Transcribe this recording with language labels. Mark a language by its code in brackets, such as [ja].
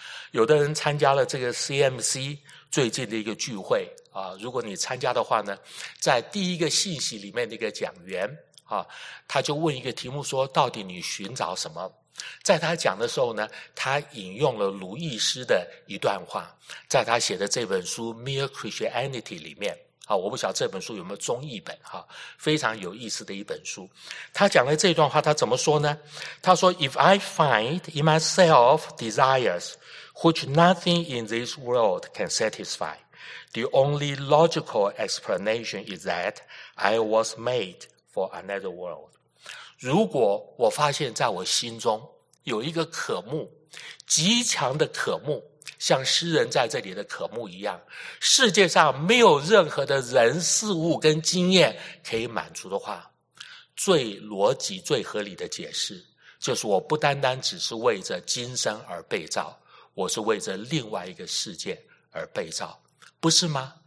[zh] 有的人参加了这个 CMC 最近的一个聚会，如果你参加的话呢，在第一个信息里面的一个讲员，他就问一个题目说，到底你寻找什么？在他讲的时候呢，他引用了卢易斯的一段话，在他写的这本书 Mere Christianity 里面，我不晓得这本书有没有中译本，非常有意思的一本书。他讲的这段话他怎么说呢？他说 [en] If I find in myself desires which nothing in this world can satisfy, the only logical explanation is that I was made for another world。 [zh] 如果我发现在我心中有一个渴慕，极强的渴慕，像诗人在这里的渴慕一样，世界上没有任何的人事物跟经验可以满足的话，最逻辑最合理的解释就是，我不单单只是为着今生而被造，我是为着另外一个世界而被造，不是吗？